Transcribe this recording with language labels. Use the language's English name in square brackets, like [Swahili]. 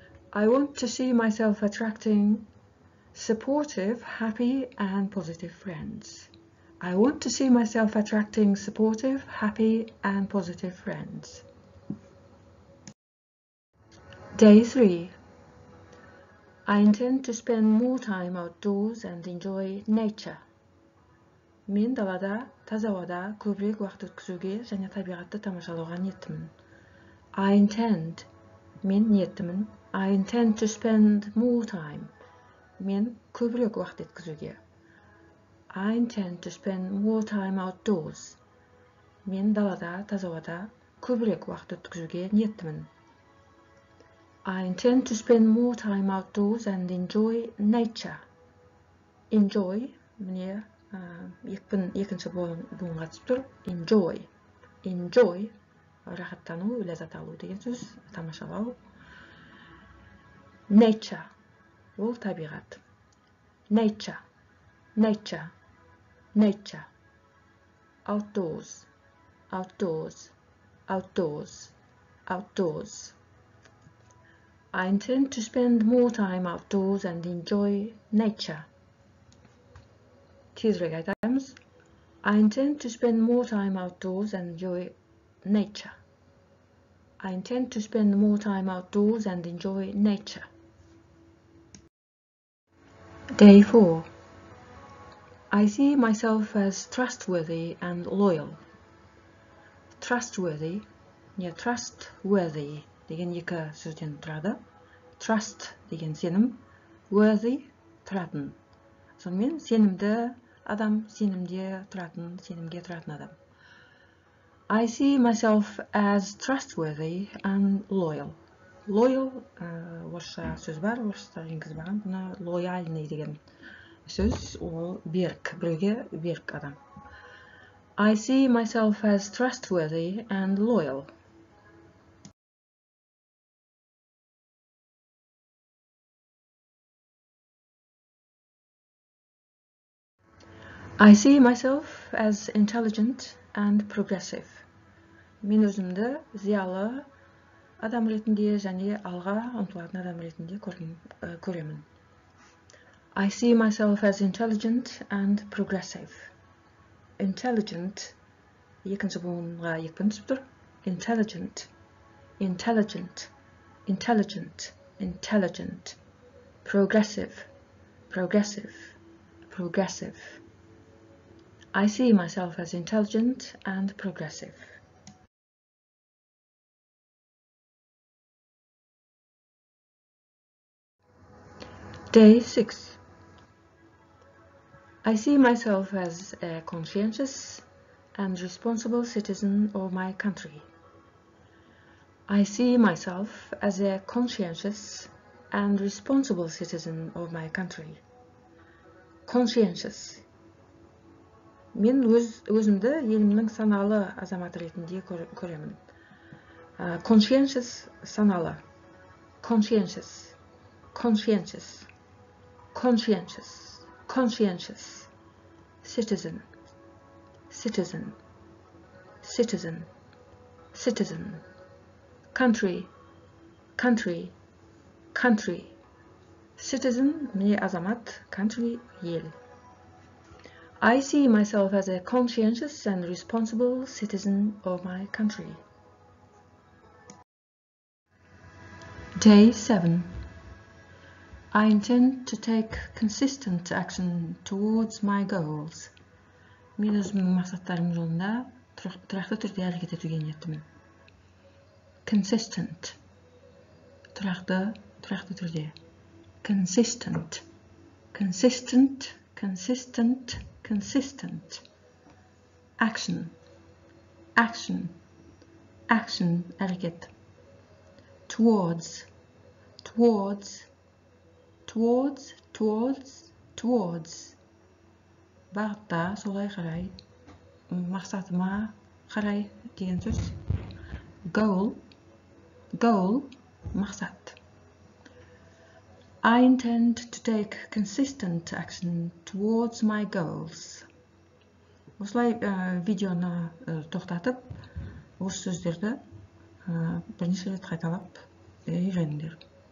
[English] I want to see myself attracting supportive, happy and positive friends. I want to see myself attracting supportive, happy and positive friends. Day 3. I intend to spend more time outdoors and enjoy nature. [Kazakh] Мен далада, таза ауада көбірек уақыт өткізуге және табиғатты тамашалауға ниеттімін. [English] I intend. [Kazakh] Мен ниеттімін. [English] I intend to spend more time. [Kazakh] Мен көбірек уақыт өткізуге. [English] I intend to spend more time outdoors. [Kazakh] Мен далада, таза ауада көбірек уақыт өткізуге ниеттімін. [English] I intend to spend more time outdoors and enjoy nature. [Kazakh] Enjoy, міне, екінші буынға түсіп тұр. [English] Enjoy. [Kazakh] Enjoy, рахаттану, ләззат алу деген сөз, тамашалау. Nature, ол табиғат. [English] Nature, nature, nature. Outdoors, outdoors, outdoors, outdoors. I intend to spend more time outdoors and enjoy nature. [Kazakh] Тезірек айтамыз. [English] I intend to spend more time outdoors and enjoy nature. I intend to spend more time outdoors and enjoy nature. Day 4. I see myself as trustworthy and loyal. Trustworthy. Yeah, trustworthy. [Kazakh] Деген екі сөзден тұрады. Trust деген сенім, worthy тұратын. Сонымен сенімді адам, сенімде тұратын, сенімге тұратын адам. [English] I see myself as trustworthy and loyal. [Kazakh] Loyal орысша сөз бар, орысша енгіз бар. Бұны лояльный деген сөз, ол берік, біреуге берік адам. [English] I see myself as trustworthy and loyal. I see myself as intelligent and progressive. [Kazakh] Мен өзімді зиялы адам ретінде және алға ұмтылатын адам ретінде көремін. [English] I see myself as intelligent and progressive. [Kazakh] Intelligent екінші буынға екпін түсіп тұр. [English] Intelligent. Intelligent. Intelligent. Intelligent. Progressive. Progressive. Progressive. I see myself as intelligent and progressive. Day 6. I see myself as a conscientious and responsible citizen of my country. I see myself as a conscientious and responsible citizen of my country. Conscientious. [Kazakh] Мен өзімді елімнің саналы азаматы ретінде көремін. Conscientious саналы. [English] Conscientious. Conscientious. Conscientious. Conscientious. Citizen. Citizen. Citizen. Citizen. Country. Country. Country. [Kazakh] Citizen, міне азамат, country, ел. [English] I see myself as a conscientious and responsible citizen of my country. Day 7. I intend to take consistent action towards my goals. [Kazakh] Мен өзімнің мақсаттарым жолында тұрақты түрде әрекет етуге ниеттімін. [English] Consistent. [Kazakh] Тұрақты түрде. [English] Consistent. Consistent. Consistent. Consistent. Action. Action. Action. [Kazakh] Әрекет. [English] Towards. Towards. Towards. Towards. Towards. [Kazakh] Бағытта солай қарай. Мақсатыма қарай деген сөз. [English] Goal. Goal. [Kazakh] Мақсат. [English] I intend to take consistent action towards my goals. [Kazakh] Осылай видеоны тоқтатып, осы сөздерді бірнеше рет қайталап үйреніңдер.